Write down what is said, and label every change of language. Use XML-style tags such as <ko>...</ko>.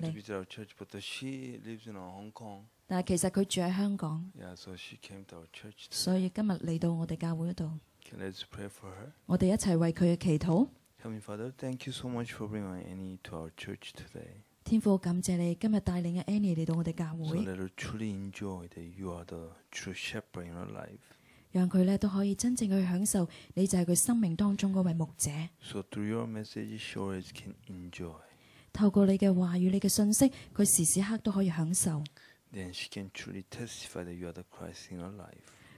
<en>She came to visit our church, but she lives in Hong Kong.</en> <yue>但係其實佢住喺香港。</yue> <en>Yeah, so she came to our church.</en> <yue>所以今日嚟到我哋教會度。</yue> <en>Okay, let's pray for her.</en> <yue>我哋一齊為佢嘅祈禱。</yue> <en>Heavenly Father, thank you so much for bringing Annie to our church today.</en> <yue>天父，感謝你今日帶領嘅 Annie 嚟到我哋教會。</yue> <en>So let her truly enjoy that you are the true shepherd in her life.</en> <yue>讓佢咧都可以真正去享受你就係佢生命當中嗰位牧者。</yue> <en>So through your message, she always can enjoy.</en> <yue>透過你嘅話語、你嘅信息，佢時時刻都可以享受。</yue> <en>Then she can truly testify that you are the Christ in her life.</en>